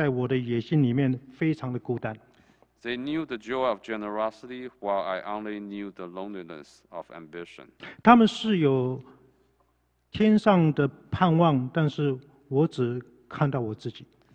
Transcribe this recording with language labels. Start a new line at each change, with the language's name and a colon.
Chinese: 他们有着慷慨的喜乐，但是我却是只有在我的野心里面非常的孤单。
English: They knew the joy of generosity, while I only knew the loneliness of ambition.
Chinese: 他们是有天上的盼望，但是我只看到我自己。